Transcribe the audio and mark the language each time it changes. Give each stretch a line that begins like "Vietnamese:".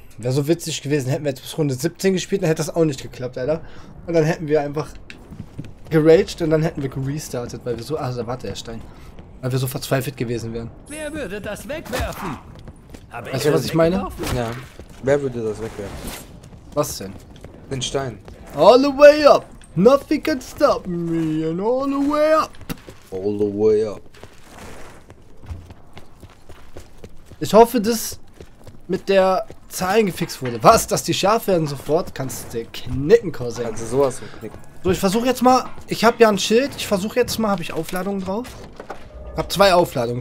German: Wäre so witzig gewesen, hätten wir jetzt bis Runde 17 gespielt, dann hätte das auch nicht geklappt, Alter. Und dann hätten wir einfach geraged und dann hätten wir gerestartet, weil wir so... Ah, warte, Herr Stein. Weil wir so verzweifelt gewesen wären. Wer würde das wegwerfen? Weißt du, was ich meine? Ja. Wer würde das wegwerfen? Was denn? Den Stein.
English: All the way up! Nothing can stop me and all the way up! All the way up.
German: Ich hoffe, dass mit der Zahlen gefixt wurde. Was? Dass die scharf werden sofort? Kannst du knicken, Korsett. Kannst du sowas knicken. So, ich versuche jetzt mal... Ich habe ja ein Schild. Ich versuche jetzt mal... Habe ich Aufladungen drauf? Hab zwei Aufladungen.